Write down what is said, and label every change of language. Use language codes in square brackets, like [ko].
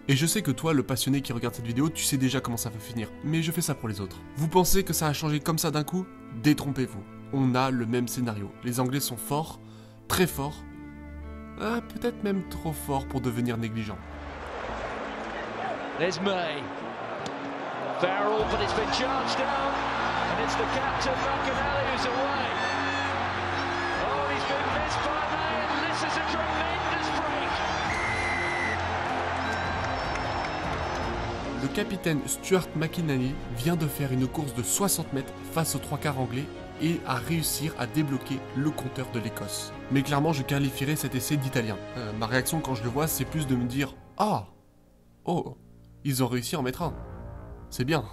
[fr] Et je sais que toi, le passionné qui regarde cette vidéo, tu sais déjà comment ça va finir. Mais je fais ça pour les autres. Vous pensez que ça a changé comme ça d'un coup? Détrompez-vous. On a le même scénario. Les Anglais sont forts, très forts, peut-être même trop forts pour devenir négligents. [en] There's May. Farrell, but it's been charged down. And it's the captain, McAnally, who's away. Oh, he's been missed by May, and this is a tremendous break. [fr] Le capitaine Stuart McInally vient de faire une course de 60 mètres face aux trois quarts anglais et à réussir à débloquer le compteur de l'Écosse. Mais clairement, je qualifierais cet essai d'italien. Ma réaction quand je le vois, c'est plus de me dire « Ah oh !» Ils ont réussi à en mettre un. C'est bien.